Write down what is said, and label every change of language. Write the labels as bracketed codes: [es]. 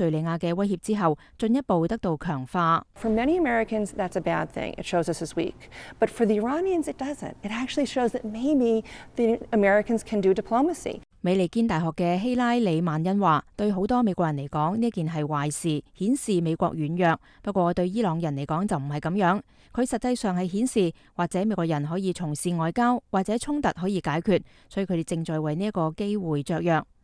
[zh] 他說阿薩德不需要為此付出代價，所以坦白說，在敘利亞人民和他的支持者眼中，這個比任何協議、比他更多的份量，他們用了化學武器，他們殺死了敘利亞人，但他們沒有承受任何後果，這個就是他的份量所在。艾瑞里說，阿薩德總統的份量在奧巴馬總統撤回以軍事行動攻擊敘利亞的威脅之後，進一步得到強化。 [en] For many Americans, that's a bad thing. It shows us it's weak. But for the Iranians, it doesn't. It actually shows that maybe the Americans can do diplomacy. [zh] 美利堅大學的希拉里曼恩說，對很多美國人來說，這件是壞事，顯示美國軟弱。不過對伊朗人來說就不是這樣，它實際上是顯示或者美國人可以從事外交或者衝突可以解決，所以他們正在為這個機會著弱。